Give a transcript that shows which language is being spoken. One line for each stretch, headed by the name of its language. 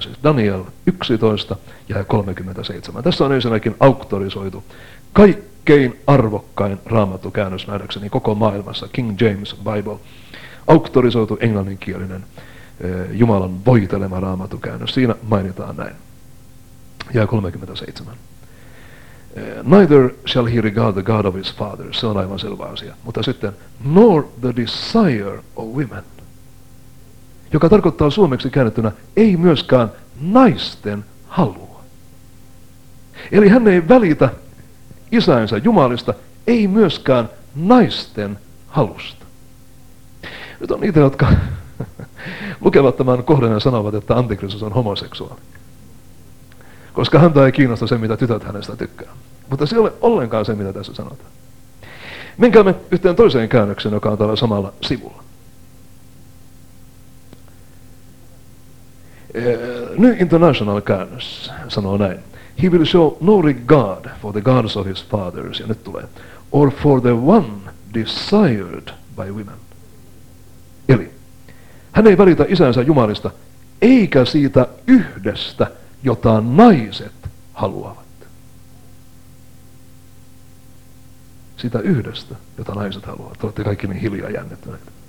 Finnish: Siis Daniel 11 ja 37. Tässä on ensinnäkin auktorisoitu kaikkein arvokkain raamattukäännös nähdäkseni koko maailmassa, King James Bible. Auktorisoitu englanninkielinen Jumalan voitelema raamattukäännös. Siinä mainitaan näin. Jae 37.
English: Neither shall he regard the God of his father.
Finnish: Se on aivan selvä asia. Mutta sitten,
English: nor the desire of women.
Finnish: Joka tarkoittaa suomeksi käännettynä, ei myöskään naisten halua. Eli hän ei välitä isänsä jumalista, ei myöskään naisten halusta. Nyt on niitä, jotka lukevat tämän kohdan ja sanovat, että Antikristus on homoseksuaali. Koska häntä ei kiinnosta se, mitä tytöt hänestä tykkää. Mutta se ei ole ollenkaan se, mitä tässä sanotaan. Menkäämme yhteen toiseen käännöksen, joka on täällä samalla sivulla. New International käännös sanoo näin.
English: He will show no regard for the gods of his fathers,
Finnish: ja nyt tulee,
English: or for the one desired by women.
Finnish: Eli hän ei välitä isänsä jumalista, eikä siitä yhdestä, jota naiset haluavat. Sitä yhdestä, jota naiset haluavat. Te olette kaikki niin hiljaa jännittyneet.